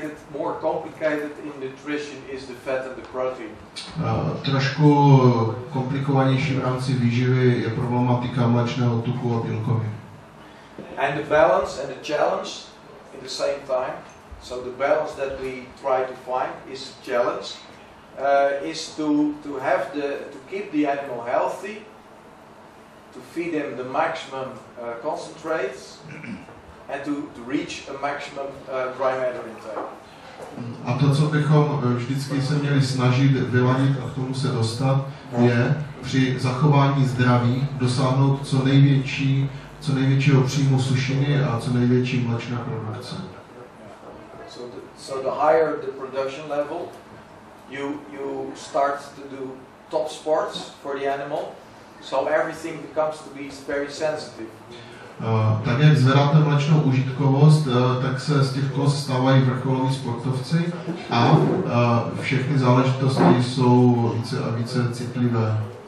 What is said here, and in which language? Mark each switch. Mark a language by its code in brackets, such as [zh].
[en] More complicated in nutrition is the fat and the protein. [cs] Trošku komplikovanější v rámci výživy je problematika mléčného tuku a bílkovin. [en] And the balance and the challenge in the same time. So the balance that we try to find is a challenge. Is to keep the animal healthy, to feed him the maximum concentrates, and to reach a maximum dry matter intake. [cs] A to, co bychom vždycky se měli snažit vyladit a k tomu se dostat, je při zachování zdraví dosáhnout co největšího příjmu sušiny a co největší mléčné produkce. [en] So the higher the production level, you start to do top sports for the animal. So everything becomes to be very sensitive. [cs] Tak jak zvedáte mléčnou užitkovost, tak se z těch koz stávají vrcholoví sportovci a všechny záležitosti jsou více a více citlivé.